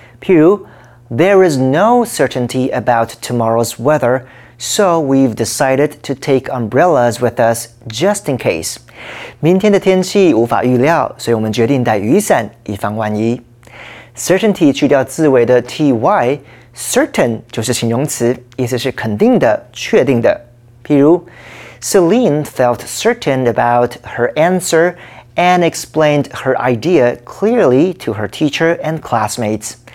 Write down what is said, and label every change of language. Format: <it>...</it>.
<zh>譬如,</zh> <en>there is no certainty about tomorrow's weather, so we've decided to take umbrellas with us just in case.</en> <zh>明天的天气无法预料，所以我们决定带雨伞，以防万一。</zh> <en>Certainty</en> <zh>去掉字尾的ty, certain就是形容词，意思是肯定的、确定的。譬如,</zh> <en>Celine felt certain about her answer and explained her idea clearly to her teacher and classmates.</en>